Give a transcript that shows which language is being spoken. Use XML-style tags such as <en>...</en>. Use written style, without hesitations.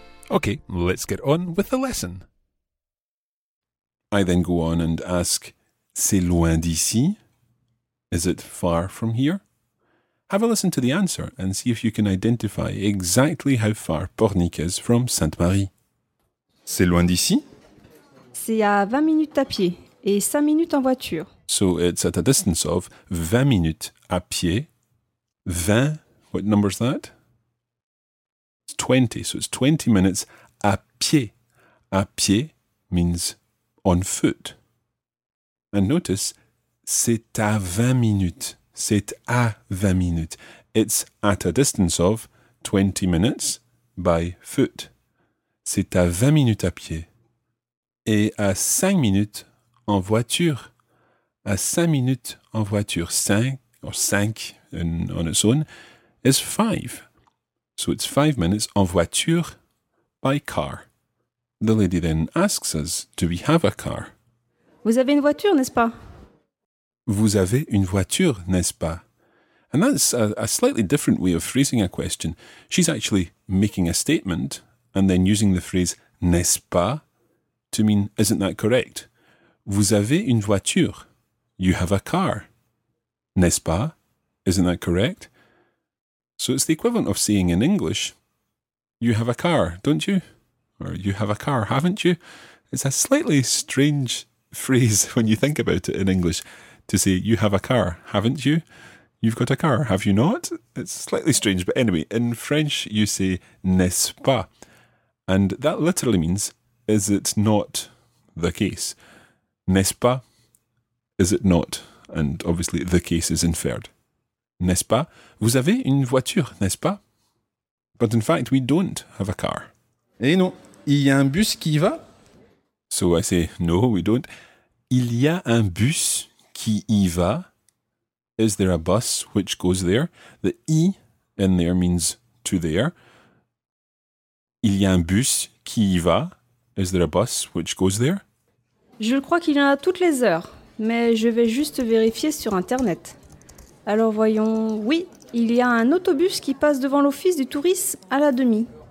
<en>Okay, let's get on with the lesson. I then go on and ask,</en> <fr>c'est loin d'ici?</fr> <en>Is it far from here? Have a listen to the answer and see if you can identify exactly how far Pornic is from Sainte-Marie.</en> <fr>C'est loin d'ici? C'est à 20 minutes à pied et 5 minutes en voiture.</fr> <en>So it's at a distance of 20 minutes</en> <fr>à pied.</fr> <en>20, what number is that? It's 20, so it's 20 minutes</en> <fr>à pied. À pied</fr> <en>means on foot. And notice,</en> <fr>c'est à 20 minutes. C'est à 20 minutes.</fr> <en>It's at a distance of 20 minutes by foot.</en> <fr>C'est à 20 minutes à pied. Et à 5 minutes en voiture. À 5 minutes en voiture.</fr> <en>5 on its own is 5. So it's 5 minutes</en> <fr>en voiture</fr> <en>by car. The lady then asks us, do we have a car?</en> <fr>Vous avez une voiture, n'est-ce pas? Vous avez une voiture, n'est-ce pas?</fr> <en>And that's a slightly different way of phrasing a question. She's actually making a statement and then using the phrase n'est-ce pas to mean, isn't that correct?</en> <fr>Vous avez une voiture.</fr> <en>You have a car.</en> <fr>N'est-ce pas?</fr> <en>Isn't that correct? So it's the equivalent of saying in English, you have a car, don't you? Or you have a car, haven't you? It's a slightly strange phrase when you think about it in English. To say, you have a car, haven't you? You've got a car, have you not? It's slightly strange, but anyway, in French you say, n'est-ce pas? And that literally means, is it not the case?</en> <fr>N'est-ce pas?</fr> <en>Is it not? And obviously the case is inferred.</en> <fr>N'est-ce pas? Vous avez une voiture, n'est-ce pas?</fr> <en>But in fact, we don't have a car.</en> <fr>Eh non, il y a un bus qui va?</fr> <en>So I say, no, we don't.</en> <fr>Il y a un bus... qui y va?</fr> <en>Is there a bus which goes there? The I in there means to there.</en> <fr>Il y a un bus qui y va?</fr> <en>Is there a bus which goes there?</en> <fr>Je crois qu'il y en a toutes les heures, mais je vais juste vérifier sur Internet. Alors voyons, oui, il y a un autobus qui passe devant l'office du tourisme à la demi.</fr>